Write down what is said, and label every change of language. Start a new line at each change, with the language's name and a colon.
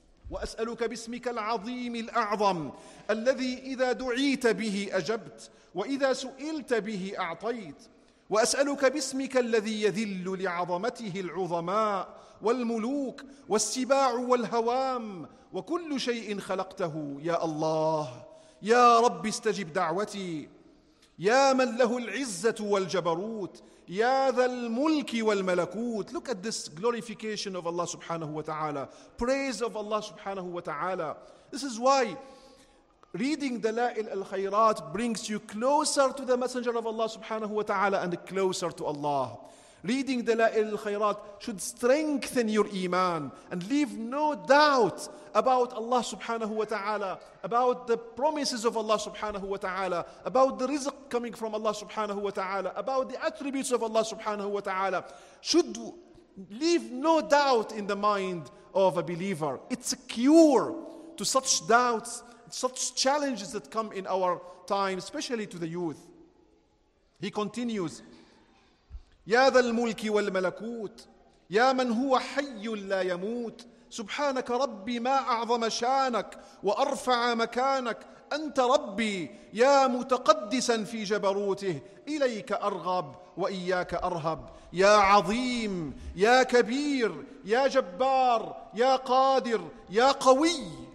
Arabic: وأسألك باسمك العظيم الأعظم الذي إذا دعيت به أجبت وإذا سئلت به أعطيت وأسألك باسمك الذي يذل لعظمته العظماء والملوك والسباع والهوام وكل شيء خلقته يا الله يا رب استجب دعوتي يا من له العزة والجبروت يا ذا الملك والملكوت
English: Look at this glorification of Allah subhanahu wa ta'ala. Praise of Allah subhanahu wa ta'ala. This is why reading Dalāʾil al-Khayrāt brings you closer to the Messenger of Allah subhanahu wa ta'ala and closer to Allah. Reading Dalāʾil al-Khayrāt should strengthen your iman and leave no doubt about Allah subhanahu wa ta'ala, about the promises of Allah subhanahu wa ta'ala, about the rizq coming from Allah subhanahu wa ta'ala, about the attributes of Allah subhanahu wa ta'ala. Should leave no doubt in the mind of a believer. It's a cure to such doubts, such challenges that come in our time, especially to the youth. He continues,
Arabic: يا ذا الملك والملكوت يا من هو حي لا يموت سبحانك ربي ما أعظم شانك وأرفع مكانك أنت ربي يا متقدسا في جبروته إليك أرغب وإياك أرهب يا عظيم يا كبير يا جبار يا قادر يا قوي